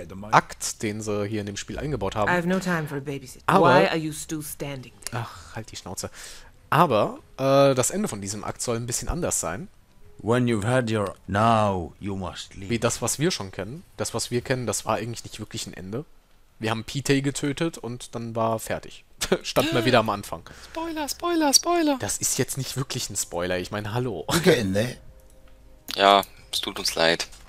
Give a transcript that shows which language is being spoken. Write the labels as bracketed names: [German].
[German] Akt, den sie hier in dem Spiel eingebaut haben. [English] I have no time for a babysitter. [German] Aber, [English] why are you still standing [German] there? Ach, halt die Schnauze. Aber das Ende von diesem Akt soll ein bisschen anders sein. [English] When you've had your now, you must leave. [German] Wie das, was wir schon kennen. Das, was wir kennen, das war eigentlich nicht wirklich ein Ende. Wir haben Pete getötet und dann war fertig. Stand mal wieder am Anfang. Spoiler, Spoiler, Spoiler. Das ist jetzt nicht wirklich ein Spoiler. Ich meine, hallo. Okay, ne? Ja, es tut uns leid.